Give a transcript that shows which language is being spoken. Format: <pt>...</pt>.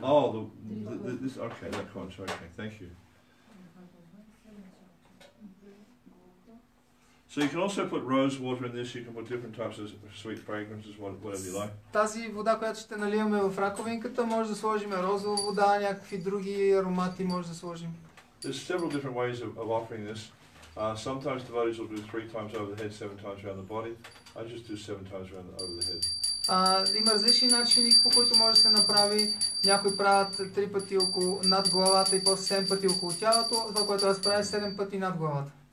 <en>Oh, this, okay, that conch, okay, thank you. So you can also put rose water in this, you can put different types of sweet fragrances, whatever you like.</en> <bg>Тази вода, която ще наливаме в раковинката, може да сложим розова вода, някакви други аромати може да сложим.</bg> <en>There's several different ways of offering this. Sometimes devotees will do three times over the head, seven times around the body. I just do seven times around over the head.</en> <bg>Има различни начини, по които може да се направи. Някои правят три пъти около над главата и после седем пъти около тялото. Това, което аз правя, е седем пъти над главата.</bg>